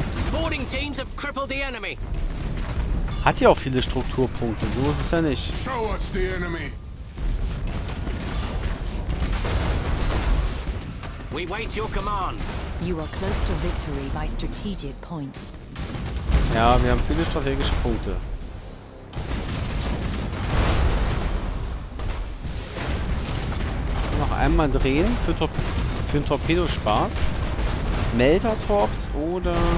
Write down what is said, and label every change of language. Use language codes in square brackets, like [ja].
[en] Boarding teams have crippled the enemy. [de] Hat ja auch viele Strukturpunkte, so ist es ja nicht. [en] Show us the enemy. We wait your command. You are close to victory by strategic points. [de] Ja, wir haben viele strategische Punkte. Noch einmal drehen für den Torpedospaß. Meltertorps oder...